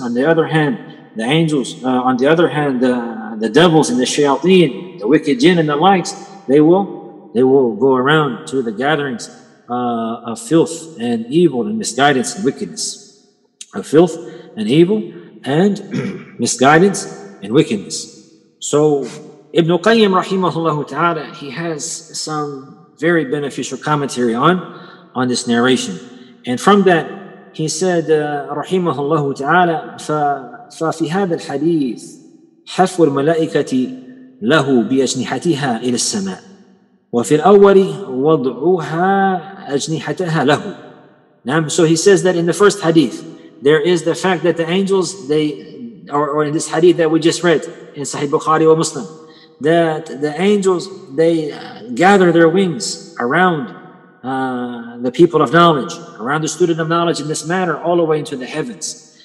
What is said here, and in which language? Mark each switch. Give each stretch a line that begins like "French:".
English: On the other hand, the angels, the devils and the shayateen, the wicked jinn and the likes, they will go around to the gatherings of filth and evil and misguidance and wickedness. Of filth and evil and misguidance and wickedness. So Ibn Qayyim rahimahullah ta'ala, he has some very beneficial commentary on this narration. And from that, he said, rahimahullah ta'ala,
Arabic: فَفِي هَذَا الْحَدِيثِ حفو الملائكة له بأجنحتها إلى السماء وفي الأول وضعها أجنحتها له. نعم.
English: So he says that in the first hadith, there is the fact that the angels, or in this hadith that we just read in Sahih Bukhari or Muslim, that the angels, they gather their wings around the people of knowledge, around the student of knowledge in this manner, all the way into the heavens.